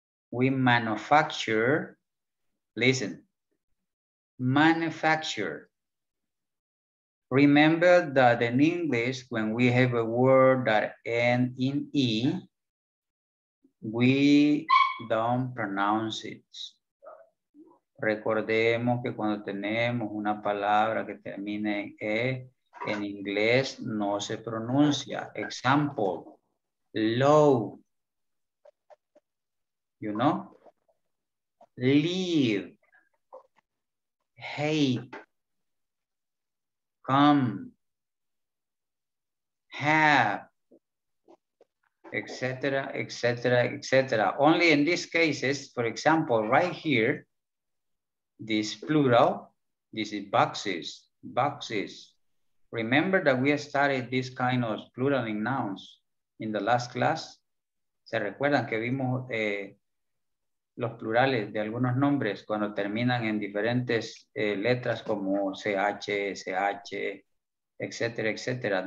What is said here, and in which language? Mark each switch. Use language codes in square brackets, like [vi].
[en] We manufacture, listen, manufacture. Remember that in English, when we have a word that end in E, we don't pronounce it. [es] Recordemos que cuando tenemos una palabra que termina en E, en inglés no se pronuncia. [en] Example, low, you know? Leave, hate, come, have, etc., etc., etc. Only in these cases, for example, right here, this plural, this is boxes, boxes. Remember that we studied this kind of plural in nouns in the last class? [es] ¿Se recuerdan que vimos los plurales de algunos nombres cuando terminan en diferentes letras como CH, SH, etc., etc.?